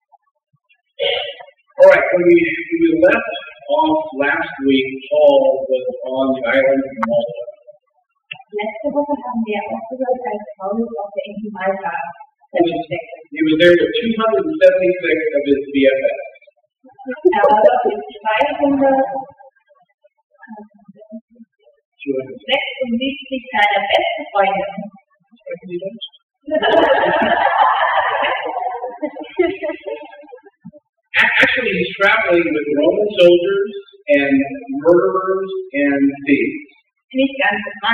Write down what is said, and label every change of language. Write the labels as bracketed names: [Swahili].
[English] Alright, when we left off last week, Paul was on the island of Malta. [German] Letzte Woche haben wir aufgehört, als Paulus auf der Insel Malta. [English] He was there with 276 of his BFFs. Actually, he's traveling with Roman soldiers and murderers and thieves.